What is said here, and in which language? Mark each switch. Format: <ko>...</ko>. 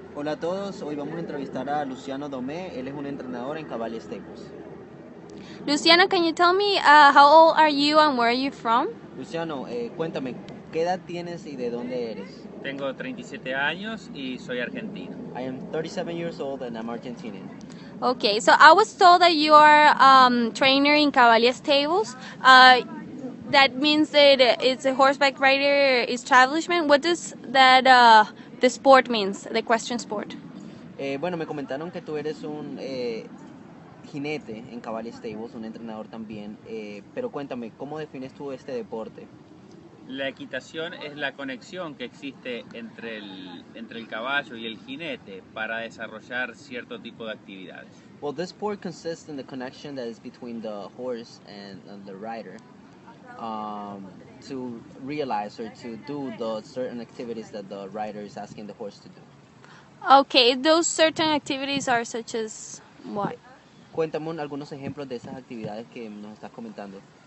<es>Hola a todos, hoy vamos a entrevistar a Luciano Domé, él es un entrenador en Cavalia Stables.</es> <en>Luciano, can you tell me how old are you and where are you from?</en> <es>Luciano, cuéntame, ¿qué edad tienes y de dónde eres? Tengo 37 años y soy argentino.</es> <en>I am 37 years old and I'm Argentinian. Okay, so I was told that you are a trainer in Cavalia Stables. That means that it's a horseback rider establishment. What does that the sport means? The question sport.</en> <es>Bueno, me comentaron que tú eres un jinete en Cavalia Stables, un entrenador también. Pero cuéntame, ¿cómo defines tú este deporte? La equitación es la conexión que existe entre el caballo y el jinete para desarrollar cierto tipo de actividades.</es> <en>Well, this sport consists in the connection that is between the horse and the rider. To realize or to do the certain activities that the rider is asking the horse to do. Okay, those certain activities are such as what?</en> <es>Cuéntame algunos ejemplos de esas actividades que nos estás comentando.</es>